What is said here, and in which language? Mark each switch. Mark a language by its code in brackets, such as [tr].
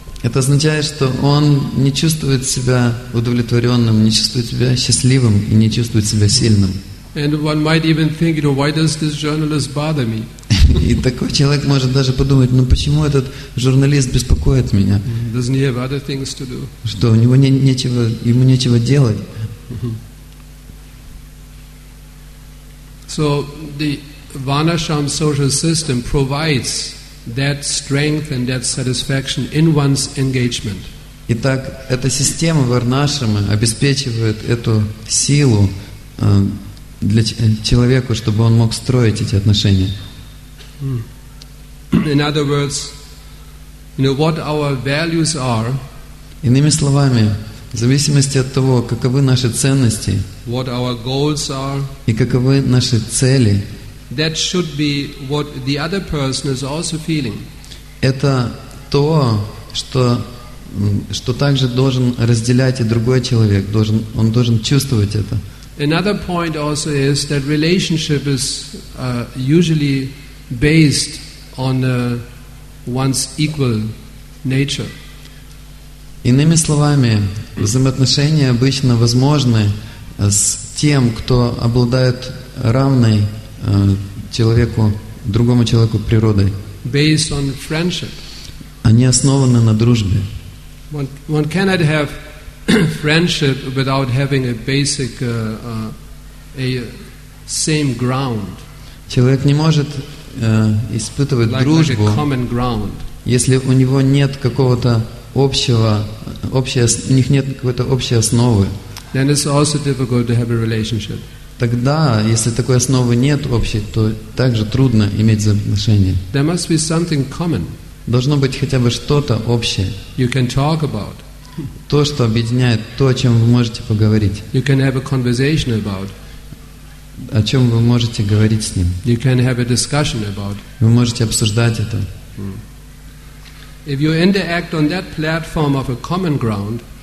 [ru] Это означает, что он не чувствует себя удовлетворенным, не чувствует себя счастливым и не чувствует себя сильным. [en] And one might even think, you know, why does this journalist bother me? [ru] И такой человек может даже подумать, ну почему этот журналист беспокоит меня? [en] Doesn't he have other things to do? [ru] Что, у него нечего, ему нечего делать? [en] So the Vanasham social system provides that strength and that satisfaction in one's engagement. [ru] Итак, эта система Варнашрама обеспечивает эту силу для человека, чтобы он мог строить эти отношения. [en] In other words, you know what our values are. [ru] Иными словами, в зависимости от того, каковы наши ценности, [en] what our goals are, [ru] и каковы наши цели, [en] that should be what the other person is also feeling. [ru] Это то, что также должен разделять и другой человек, он должен чувствовать это. [en] Another point also is that relationship is usually based on one's equal nature. [ru] Иными словами, взаимоотношения обычно возможны с тем, кто обладает равной человеку, другому человеку природой. [en] Based on friendship. [ru] Они основаны на дружбе. [en] One cannot have friendship without having a basic a same ground. [ru] Человек не может испытывать дружбу, [en] like a common ground. [ru] Если у него нет какого-то у них нет какой-то общей основы. [en] Then it's also difficult to have a relationship. [ru] Тогда, если такой основы нет общей, то также трудно иметь взаимоотношения. [en] There must be something common. [ru] Должно быть хотя бы что-то общее. [en] You can talk about. [ru] То, что объединяет, то, о чем вы можете поговорить. [en] You can have a conversation about. [ru] О чем вы можете говорить с ним. [en] You can have a discussion about. [ru] Вы можете обсуждать это. [en] If you interact on that platform of a common ground,